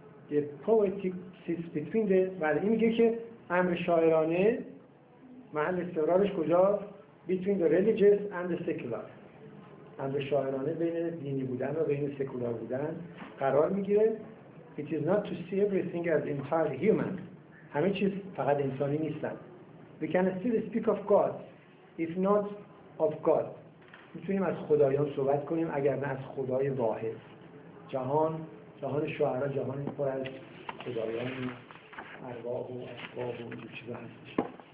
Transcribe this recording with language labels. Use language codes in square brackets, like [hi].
[en] The poetic sits between the، [fa] بله، این میگه که امر شاعرانه محل استقرارش کجا؟ [en] between the religious and the secular، [fa] امر شاعرانه بین دینی بودن و بین سکولار بودن قرار میگیره. [en] It is not to see everything as entirely human. [fa] همه چیز فقط انسانی نیستن. [en] We can still speak of God, if not of God. [fa] میتونیم از خدایان صحبت کنیم، اگر نه از خدای واحد. جهان، جهان شعرا، جهان پر از خدایان، ارواح و اسباب و اینجور چیزا هست.